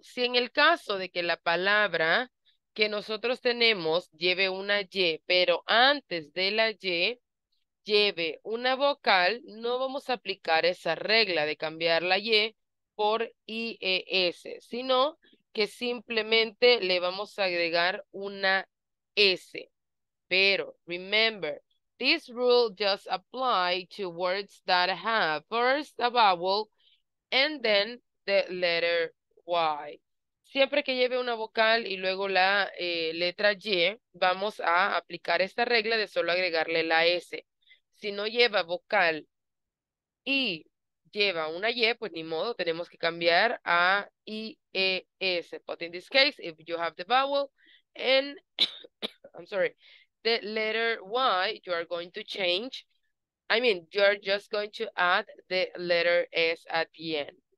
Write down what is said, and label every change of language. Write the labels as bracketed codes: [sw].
[es] Si en el caso de que la palabra que nosotros tenemos lleve una Y, pero antes de la Y lleve una vocal, no vamos a aplicar esa regla de cambiar la Y por IES, sino que simplemente le vamos a agregar una S. [en] Pero, remember, this rule just applies to words that have first a vowel and then the letter Y. [es] Siempre que lleve una vocal y luego la letra Y, vamos a aplicar esta regla de solo agregarle la S. Si no lleva vocal y lleva una Y, pues ni modo, tenemos que cambiar a IES. [en] But in this case, if you have the vowel and, I'm sorry, the letter Y, you are going to change. I mean, you are just going to add the letter S at the end.